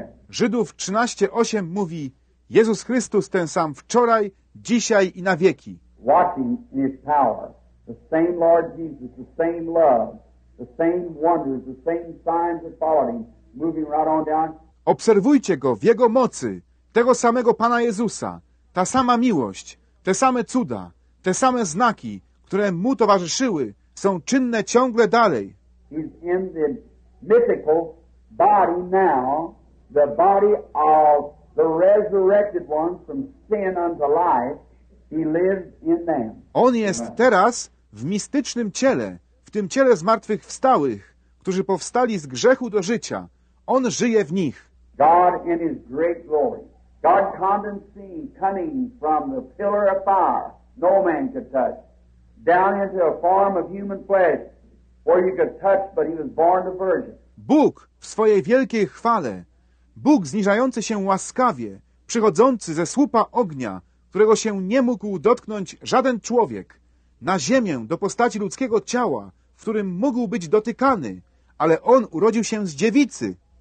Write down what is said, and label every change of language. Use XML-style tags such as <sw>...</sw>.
<pl>Żydów 13:8 mówi, Jezus Chrystus ten sam wczoraj, dzisiaj i na wieki.</pl> <en>Watching in his power, the same Lord Jesus, the same love, the same wonders, the same signs that followed him, moving right on down.</en> <pl>Obserwujcie go w jego mocy, tego samego Pana Jezusa, ta sama miłość, te same cuda, te same znaki, które mu towarzyszyły, są czynne ciągle dalej.</pl> <en>He's in the mythical body now, the body of the resurrected ones from sin unto life. He lives in them.</en> <pl>On jest teraz w mistycznym ciele, w tym ciele zmartwychwstałych, którzy powstali z grzechu do życia. On żyje w nich.</pl> <en>God in his great glory. God condescending, coming from the pillar of fire, no man could touch, down into a form of human flesh, where he could touch, but he was born a virgin.</en> <pl>Bóg w swojej wielkiej chwale, Bóg zniżający się łaskawie, przychodzący ze słupa ognia, którego się nie mógł dotknąć żaden człowiek, na ziemię do postaci ludzkiego ciała, w którym mógł być dotykany, ale on urodził się z dziewicy.</pl>